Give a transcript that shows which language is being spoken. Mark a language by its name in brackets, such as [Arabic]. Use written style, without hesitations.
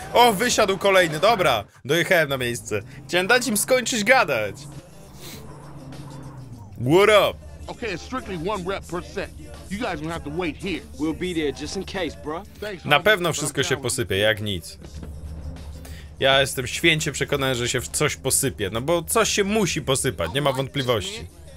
[Polish] O, wysiadł kolejny, dobra. Dojechałem na miejsce. Chciałem dać im skończyć gadać. [English] What up? Okay, it's strictly one rep per set. You guys will have to wait here. We'll be there just in case, bro. [Polish] Na pewno wszystko się posypie, jak nic. Ja jestem święcie przekonany, że się w coś posypie. No bo coś się musi posypać, nie ma wątpliwości.